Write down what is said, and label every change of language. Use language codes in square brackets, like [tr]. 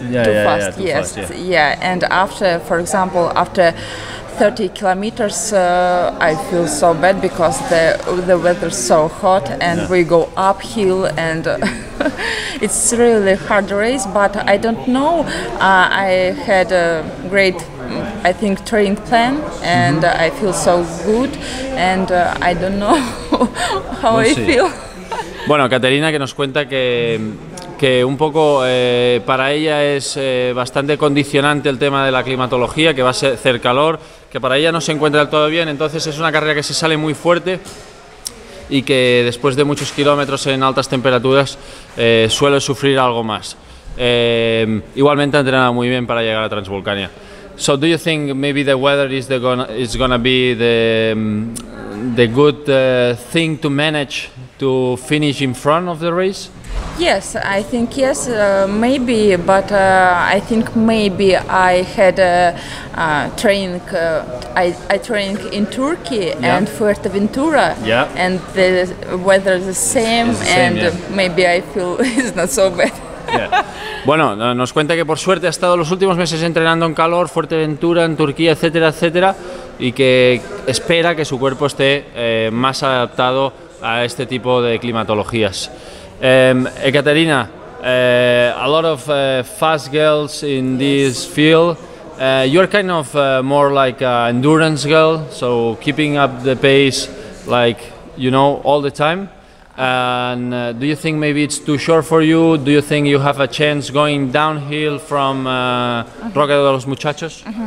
[en] And after, for example, after 30 kilometers I feel so bad because the weather is so hot and we go uphill and it's really hard race, but I don't know, I had a great I think training plan and I feel so good and I don't know how I feel. [es] Bueno, Ekaterina, que nos cuenta que un poco para ella es bastante condicionante el tema de la climatología, que va a ser calor, que para ella no se encuentra todo bien, entonces es una carrera que se sale muy fuerte y que después de muchos kilómetros en altas temperaturas suele sufrir algo más. Igualmente ha entrenado muy bien para llegar a Transvulcania. [en] So do you think maybe the weather is gonna be the good thing to manage to finish in front of the race? Yes, I think yes, maybe, but I think maybe I had a training, I trained in Turkey and Fuerteventura and the weather is the same, maybe I feel it's not so bad. [es] Bueno, nos cuenta que por suerte ha estado los últimos meses entrenando en calor, Fuerteventura, en Turquía, etcétera, etcétera, y que espera que su cuerpo esté más adaptado a este tipo de climatologías. [en] Ekaterina, a lot of fast girls in this field. You're kind of more like an endurance girl, so keeping up the pace, like, you know, all the time. And do you think maybe it's too short for you? Do you think you have a chance going downhill from Roque de los Muchachos?